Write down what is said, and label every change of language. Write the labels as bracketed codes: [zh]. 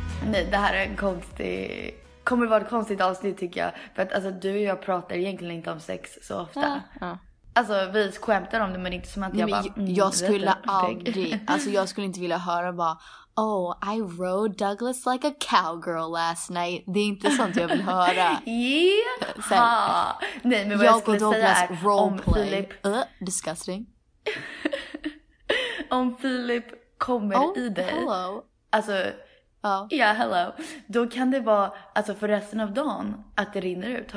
[sv] Nej, det här är en konstig... kommer vara ett konstigt avsnitt tycker jag. För att alltså, du och jag pratar egentligen inte om sex så ofta. Ja, ja. Alltså, vi skämtar om det, men inte som att jag bara... Jag skulle aldrig... Alltså, jag skulle inte vilja höra bara... [en] Oh, I rode Douglas like a cowgirl last night. [sv] Det är inte sånt jag vill höra. Yeah. Sen, nej, men vad jag skulle säga är om Philip... disgusting. Om Philip kommer i det. [en] Hello. [sv] Alltså... Ja, [en] yeah, hello. [sv] Då kan det vara, alltså för resten av dagen, att det rinner ut.